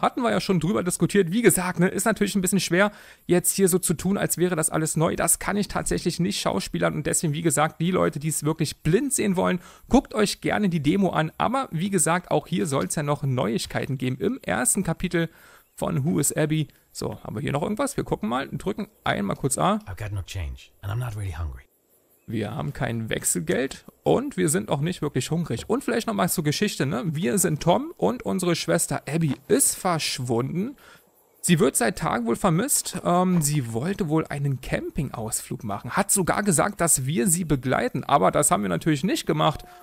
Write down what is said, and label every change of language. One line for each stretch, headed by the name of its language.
German: Hatten wir ja schon drüber diskutiert. Wie gesagt, ne, ist natürlich ein bisschen schwer, jetzt hier so zu tun, als wäre das alles neu. Das kann ich tatsächlich nicht schauspielern. Und deswegen, wie gesagt, die Leute, die es wirklich blind sehen wollen, guckt euch gerne die Demo an. Aber wie gesagt, auch hier soll es ja noch Neuigkeiten geben im ersten Kapitel von Who is Abby. So, haben wir hier noch irgendwas? Wir gucken mal. Drücken einmal kurz A.
English: I've got no change and I'm not really hungry.
German: Wir haben kein Wechselgeld und wir sind auch nicht wirklich hungrig. Und vielleicht nochmal zur Geschichte, ne? Wir sind Tom und unsere Schwester Abby ist verschwunden. Sie wird seit Tagen wohl vermisst. Sie wollte wohl einen Campingausflug machen. Hat sogar gesagt, dass wir sie begleiten. Aber das haben wir natürlich nicht gemacht.